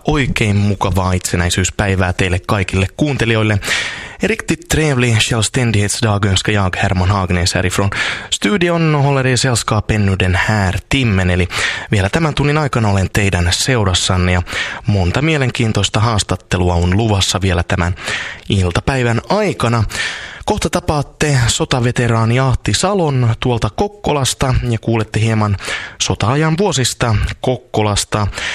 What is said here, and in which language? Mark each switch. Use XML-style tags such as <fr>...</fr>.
<fi>Oikein mukavaa itsenäisyyspäivää teille kaikille kuuntelijoille.</fi> <sv>Riktigt trevlig självständighetsdag önskar jag, Herman Haagnes, härifrån studion. Håller er sällskap ännu den här timmen.</sv> <fi>Eli vielä tämän tunnin aikana olen teidän seurassanne. Ja monta mielenkiintoista haastattelua on luvassa vielä tämän iltapäivän aikana. Kohta tapaatte sotaveteraani Ahti Salon tuolta Kokkolasta ja kuulette hieman sota-ajan vuosista Kokkolasta.</fi>